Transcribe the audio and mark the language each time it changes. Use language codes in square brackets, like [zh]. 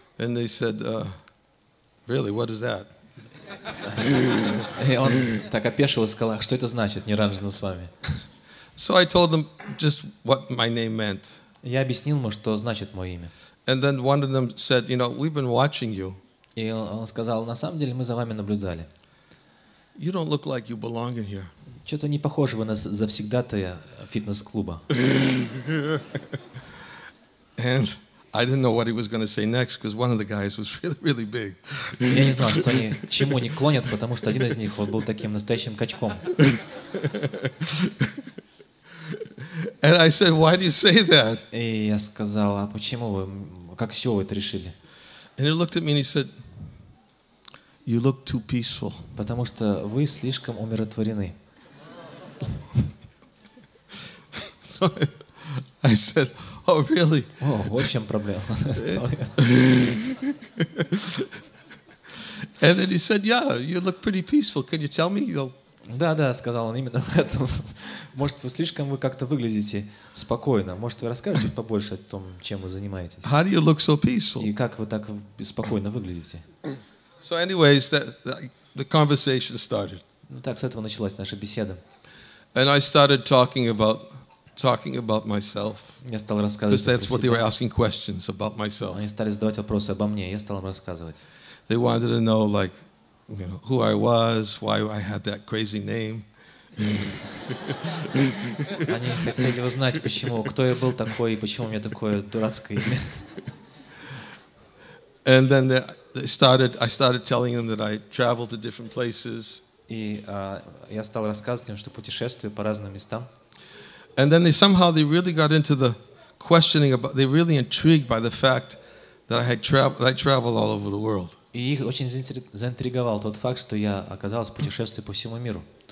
[en] And they said, really, what is that? [ru] И он так опешил и сказал, что это значит, Ниранджана Свами? [en] So I told them just what my name meant. [ru] Я объяснил ему, что значит мое имя. [en] And then one of them said, you know, we've been watching you. [ru] И он сказал, на самом деле мы за вами наблюдали. [en] You don't look like you belong in here. [ru] Что-то не похоже вы на завсегдатая фитнес-клуба. [en] And I didn't know what he was going to say next, because one of the guys was really, really big. [ru] Я не знал, что они к чему они клонят, потому что один из них вот был таким настоящим качком. [en] And I said, why do you say that? [ru] И я сказал, а почему вы, как все вы это решили? [en] And he looked at me and he said, You look too peaceful. [ru] Потому что вы слишком умиротворены. [en] Sorry. I said, oh, really? [ru] О, вот в чем проблема. [en] And then he said, yeah, you look pretty peaceful. Can you tell me? [ru] Да-да, сказал он именно в этом. Может, вы слишком вы как-то выглядите спокойно. Может, вы расскажете чуть побольше о том, чем вы занимаетесь? [en] How do you look so peaceful? [ru] И как вы так спокойно выглядите? [en] So anyways, the conversation started. [ru] Ну так, с этого началась наша беседа. [en] And I started talking about myself. [ru] Я стал рассказывать. [en] Because that's what they were asking questions about myself. [ru] Они стали задавать вопросы обо мне, я стал им рассказывать. [en] They wanted to know, like, you know, who I was, why I had that crazy name. [ru] Они хотели узнать, почему, кто я был такой и почему у меня такое дурацкое имя. [en] And then I started telling them that I travel to different places. [ru] И я стал рассказывать им, что путешествую по разным местам. [en] And then they really got into the questioning about, they really intrigued by the fact that I travel all over the world. [ru] И их очень заинтриговал тот факт, что я оказался путешествую по всему миру.